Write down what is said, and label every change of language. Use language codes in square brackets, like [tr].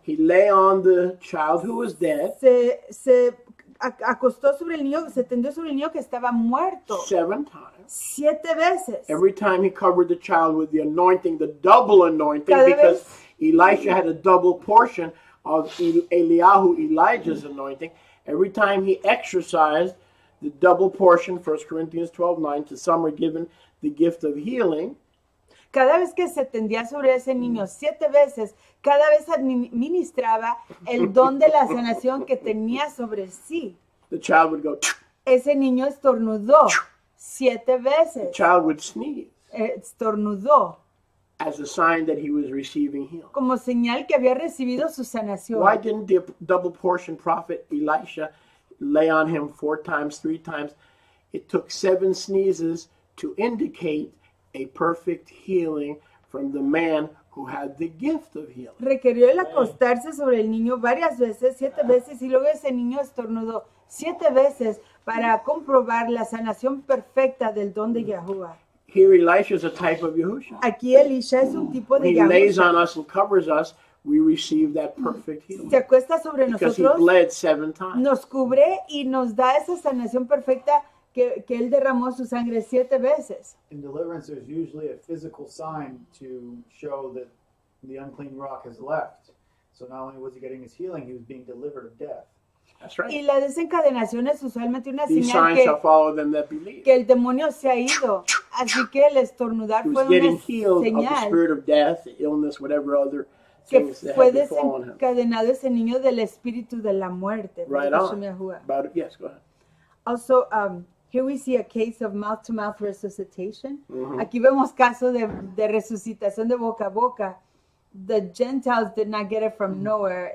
[en] He lay on the child who was dead. [es] Se acostó sobre el niño, se tendió sobre el niño que estaba muerto. [en] 7 times. [es] 7 veces. [en] Every time he covered the child with the anointing, the double anointing, because Elisha had a double portion of Eliyahu, Elijah's anointing. Every time he exercised the double portion, 1 Corinthians 12:9, to some are given the gift of healing. [es] Cada vez que se tendía sobre ese niño 7 veces, cada vez administraba el don de la sanación que tenía sobre sí. [en] The child would go. [es] Ese niño estornudó 7 veces. [en] The child would sneeze. [es] Estornudó. [en] As a sign that he was receiving healing. [es] Como señal que había recibido su sanación. [en] Why didn't the double portion prophet Elisha lay on him 4 times, 3 times? It took 7 sneezes to indicate a perfect healing from the man who had the gift of healing. [es] Requirió el acostarse sobre el niño varias veces, 7 veces, y luego ese niño estornudó 7 veces para comprobar la sanación perfecta del don de Yahuwah. [en] Here, Elisha is a type of Yahusha. [es] Aquí, Elisha es un tipo de Yahusha. [en] He lays on us and covers us, we receive that perfect healing. [es] Se acuesta sobre [en] because [es] nosotros. [en] Because he bled 7 times. [es] Nos cubre y nos da esa sanación perfecta que él derramó su sangre 7 veces. [en] In deliverance, there's usually a physical sign to show that the unclean rock has left. So not only was he getting his healing, he was being delivered of death. That's right. [es] Y la desencadenación es usualmente una [en] these signs shall follow them that believe. [es] Que el demonio se ha ido. Así que el estornudar fue una señal [en] of the spirit of death, illness, whatever other [es] que fue desencadenado ese niño del espíritu de la muerte. [en] Right on. About, yes, go ahead. Also, here we see a case of mouth-to-mouth resuscitation. Mm-hmm. [es] Aquí vemos caso de resucitación de boca a boca. [en] The Gentiles did not get it from nowhere.